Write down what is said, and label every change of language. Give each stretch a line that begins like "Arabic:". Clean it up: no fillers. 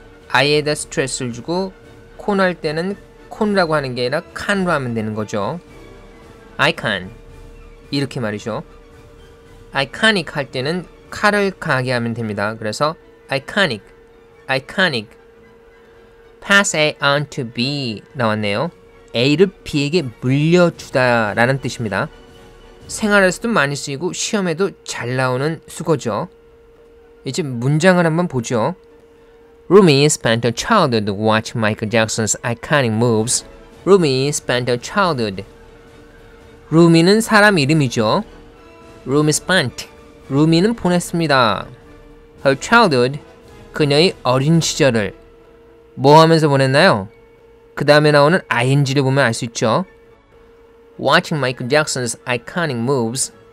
Korean: 아이에다 스트레스를 주고 콘 할 때는 콘이라고 하는 게 아니라 칸으로 하면 되는 거죠. 아이칸 이렇게 말이죠. 아이카닉 할 때는 칼을 강하게 하면 됩니다. 그래서 아이카닉, 아이카닉.
English: Pass A on to B
Korean: 나왔네요. A를 B에게 물려주다 라는 뜻입니다. 생활에서도 많이 쓰이고 시험에도 잘 나오는 수거죠. 이제 문장을 한번 보죠.
English: Rumi spent her childhood watching Michael Jackson's iconic moves. Rumi spent her childhood.
Korean: Rumi는 사람 이름이죠.
English: Rumi spent.
Korean: Rumi는 보냈습니다.
English: Her childhood.
Korean: 그녀의 어린 시절을. 뭐 하면서 보냈나요? 그 다음에 나오는 ing를 보면 알 수 있죠.
English: Watching Michael Jackson's iconic moves.